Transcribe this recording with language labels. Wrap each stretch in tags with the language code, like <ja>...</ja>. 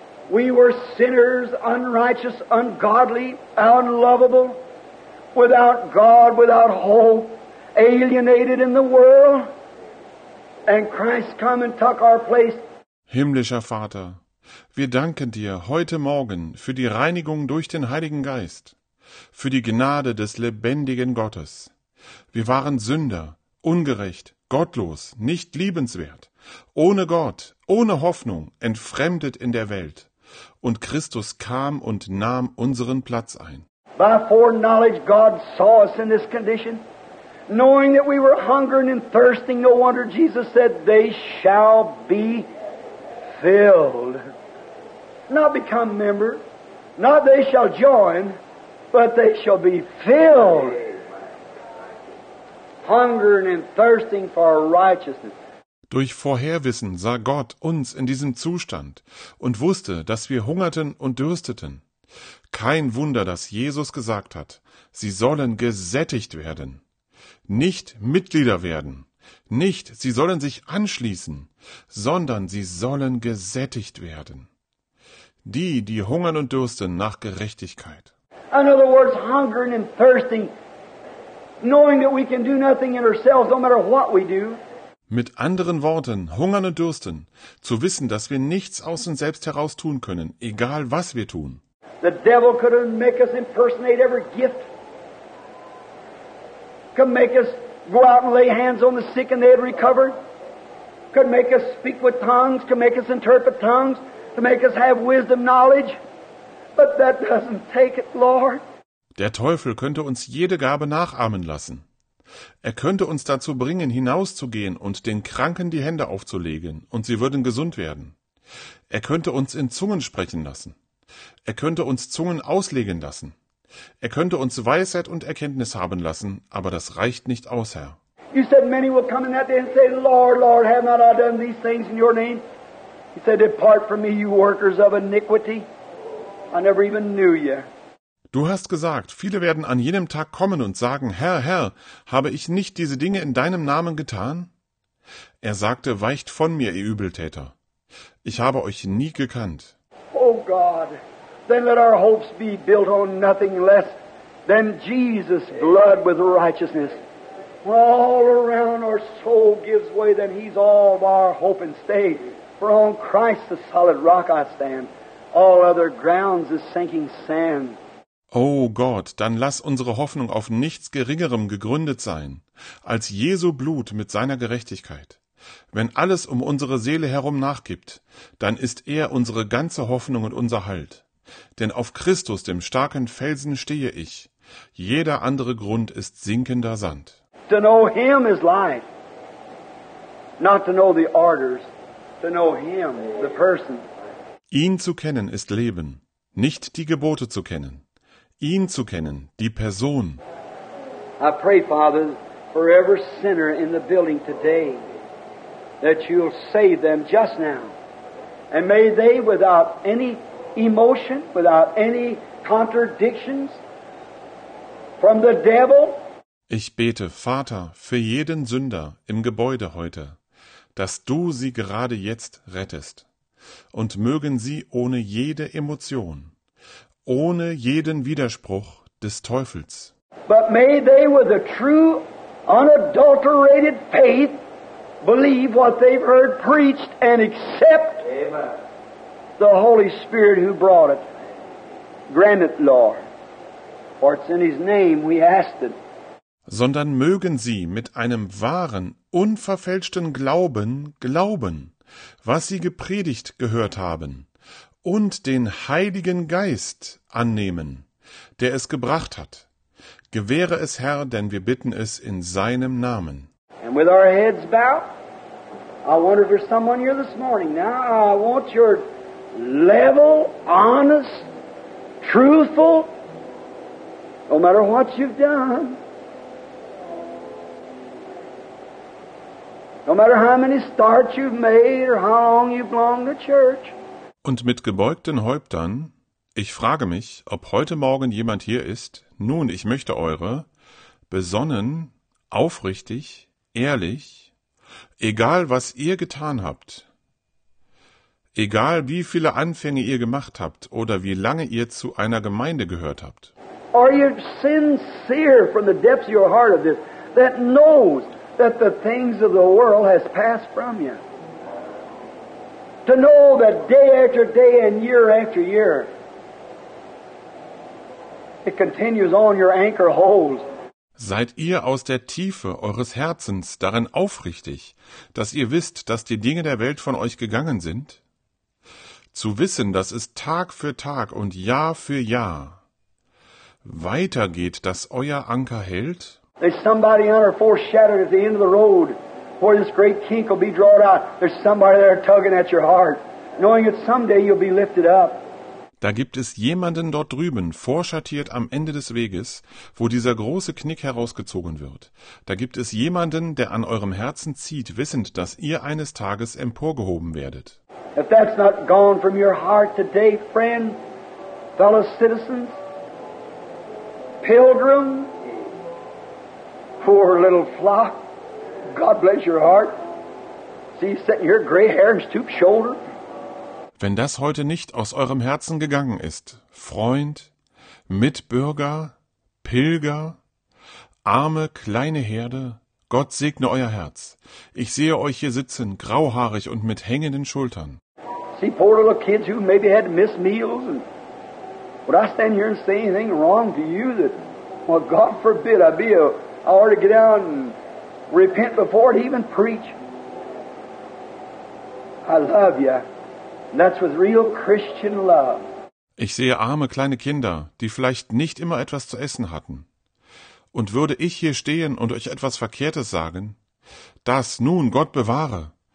<en>We were sinners, unrighteous, ungodly, unlovable, without God, without hope, alienated in the world, and Christ come and took our place.</en> <de>Himmlischer Vater, wir danken dir heute Morgen für die Reinigung durch den Heiligen Geist. Für die Gnade des lebendigen Gottes. Wir waren Sünder, ungerecht, gottlos, nicht liebenswert, ohne Gott, ohne Hoffnung, entfremdet in der Welt. Und Christus kam und nahm unseren Platz ein.</de> <en>By foreknowledge God saw us in this condition, knowing that we were hungering and thirsting, no wonder Jesus said, they shall be filled. Not become member, not they shall join, but they shall be filled, hungering and thirsting for righteousness.</en> <de>Durch Vorherwissen sah Gott uns in diesem Zustand und wusste, dass wir hungerten und dürsteten. Kein Wunder, dass Jesus gesagt hat, sie sollen gesättigt werden, nicht Mitglieder werden, nicht sie sollen sich anschließen, sondern sie sollen gesättigt werden. Die, die hungern und dürsten nach Gerechtigkeit.</de> <en>In other words, hungering and thirsting, knowing that we can do nothing in ourselves, no matter what we do.</en> <de>Mit anderen Worten, hungern und dürsten, zu wissen, dass wir nichts aus uns selbst heraus tun können, egal was wir tun.</de> <en>The devil could make us impersonate every gift, could make us go out and lay hands on the sick and they'd recover, could make us speak with tongues, could make us interpret tongues, to make us have wisdom, knowledge. But that doesn't take it, Lord.</en> <de>Der Teufel könnte uns jede Gabe nachahmen lassen. Er könnte uns dazu bringen, hinauszugehen und den Kranken die Hände aufzulegen, und sie würden gesund werden. Er könnte uns in Zungen sprechen lassen. Er könnte uns Zungen auslegen lassen. Er könnte uns Weisheit und Erkenntnis haben lassen, aber das reicht nicht aus, Herr.</de> <en>You said many will come in that day and say, Lord, Lord, have not I done these things in your name? He said, depart from me, you workers of iniquity. I never even knew you.</en> <de>Du hast gesagt, viele werden an jenem Tag kommen und sagen, Herr, Herr, habe ich nicht diese Dinge in deinem Namen getan? Er sagte, weicht von mir, ihr Übeltäter. Ich habe euch nie gekannt.</de> <en>Oh God, then let our hopes be built on nothing less than Jesus' blood with righteousness. When all around our soul gives way, then he's all of our hope and stay. For on Christ the solid rock I stand, all other grounds is sinking sand.</en> <de>Oh Gott, dann lass unsere Hoffnung auf nichts Geringerem gegründet sein, als Jesu Blut mit seiner Gerechtigkeit. Wenn alles um unsere Seele herum nachgibt, dann ist er unsere ganze Hoffnung und unser Halt. Denn auf Christus, dem starken Felsen, stehe ich. Jeder andere Grund ist sinkender Sand.</de> <en>To know him is life. Not to know the orders. To know him, the person.</en> <de>Ihn zu kennen ist Leben, nicht die Gebote zu kennen. Ihn zu kennen, die Person.</de> <en>I pray, Father, for every sinner in the building today, that you'll save them just now. And may they, without any emotion, without any contradictions from the devil.</en> <de>Ich bete, Vater, für jeden Sünder im Gebäude heute, dass du sie gerade jetzt rettest. Und mögen sie ohne jede Emotion, ohne jeden Widerspruch des Teufels.</de> <en>But may they with a true, unadulterated faith believe what they've heard preached and accept the Holy Spirit who brought it. Grant it, Lord, for it's in his name we asked it.</en> <de>Sondern mögen sie mit einem wahren, unverfälschten Glauben glauben, was sie gepredigt gehört haben, und den Heiligen Geist annehmen, der es gebracht hat. Gewähre es, Herr, denn wir bitten es in seinem Namen.</de> <en>And with our heads bowed, I wonder if there's someone here this morning. Now I want your level, honest, truthful, no matter what you've done. No matter how many starts you've made or how long you've belonged to church.</en> <de>Und mit gebeugten Häuptern, ich frage mich, ob heute Morgen jemand hier ist. Nun, ich möchte eure besonnen, aufrichtig, ehrlich, egal was ihr getan habt, egal wie viele Anfänge ihr gemacht habt oder wie lange ihr zu einer Gemeinde gehört habt.</de> <en>Are you sincere from the depths of your heart of this that knows that the things of the world has passed from you? To know that day after day and year it continues on your anchor holds.</en> <de>Seid ihr aus der Tiefe eures Herzens darin aufrichtig, dass ihr wisst, dass die Dinge der Welt von euch gegangen sind? Zu wissen, dass es Tag für Tag und Jahr für Jahr weitergeht, dass euer Anker hält?</de> <en>There's somebody under foreshadowed at the end of the road where this great kink will be drawn out. There's somebody there tugging at your heart, knowing that someday you'll be lifted up.</en> <de>Da gibt es jemanden dort drüben, vorschattiert am Ende des Weges, wo dieser große Knick herausgezogen wird. Da gibt es jemanden, der an eurem Herzen zieht, wissend, dass ihr eines Tages emporgehoben werdet.</de> <en>If that's not gone from your heart today, friend, fellow citizens, pilgrim, poor little flock, God bless your heart. See, sitting here, gray hair and stooped shoulder.</en> <de>Wenn das heute nicht aus eurem Herzen gegangen ist, Freund, Mitbürger, Pilger, arme, kleine Herde, Gott segne euer Herz. Ich sehe euch hier sitzen, grauhaarig und mit hängenden Schultern.</de> <en>See, poor little kids who maybe had missed meals. And would I stand here and say anything wrong to you that, well, God forbid, I ought to get down and repent before it even preach. I love you. That's with real Christian love.</en> <de>Ich sehe arme kleine Kinder, die vielleicht nicht immer etwas zu essen hatten. Und würde ich hier stehen und euch etwas Verkehrtes sagen, das nun Gott bewahre.</de>